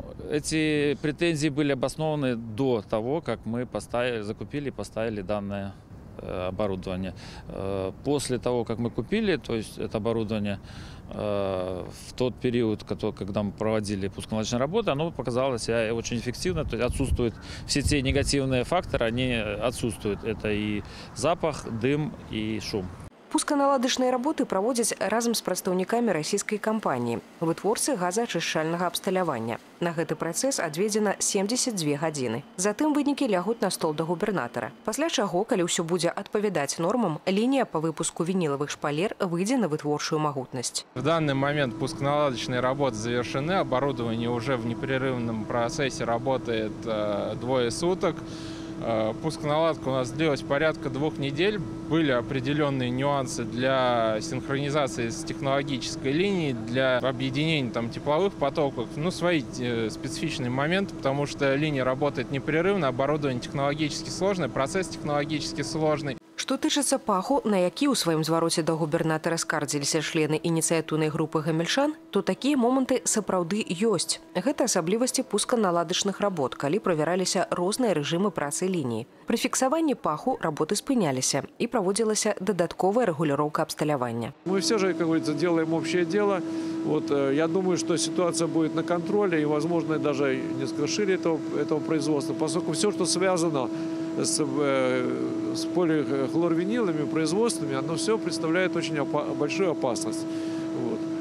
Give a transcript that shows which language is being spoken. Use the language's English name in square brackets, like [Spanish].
[Russian] Эти претензии были обоснованы до того, как мы закупили и поставили данное оборудование. После того, как мы купили, то есть это оборудование, в тот период, когда мы проводили пусконаладочные работы, оно показало себя очень эффективно, то есть отсутствуют все те негативные факторы, они отсутствуют. Это и запах, дым, и шум. [Belarusian] Пусканаладачныя работы праводзяць разам з прадстаўнікамі расійскай кампаніі, вытворцы газаачышчальнага абсталявання. На гэты працэс адведзена 72 гадзіны. Затым вынікі лягуць на стол да губернатара. Пасля чаго, калі ўсё будзе адпавядаць нормам, лінія па выпуску вінілавых шпалер выйдзе на вытворчую магутнасць. [Russian] В данны момент пусканаладачныя работы завершаны, оборудование уже в непрерывном процессе работает 2 суток. Пусконаладка у нас длилась порядка 2 недель. Были определенные нюансы для синхронизации с технологической линией, для объединения там тепловых потоков. Ну, свои специфичные моменты, потому что линия работает непрерывно, оборудование технологически сложное, процесс технологически сложный. [Belarusian] Што тычыцца паху, на які ў сваім звароце да губернатара скардзіліся члены ініцыятыўнай групы гамельчан, то такія моманты сапраўды ёсць. Гэта асаблівасці пусканаладачных работ, калі правяраліся розныя рэжымы працы лініі. Пры фіксаванні паху работы спыняліся і праводзілася дадатковая рэгуліроўка абсталявання. Мы ўсе ж, [Russian] як говорится, делаем общее дело. Вот, я думаю, что ситуация будет на контроле и, возможно, даже несколько шире этого производства. Поскольку все, что связано с полихлорвинилами, производствами, оно все представляет очень большую опасность. Вот.